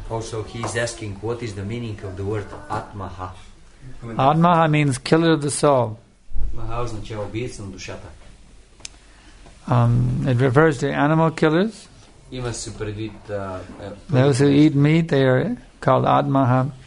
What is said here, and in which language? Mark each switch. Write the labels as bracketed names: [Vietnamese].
[English] Also, he is asking, what is the meaning of the word Atmaha? Atmaha means killer of the soul. [Bulgarian] Atmaha означава убиец на душата. [English] It refers to animal killers. [Bulgarian] Има се предвид, [English] those who eat meat, they are called Atmaha.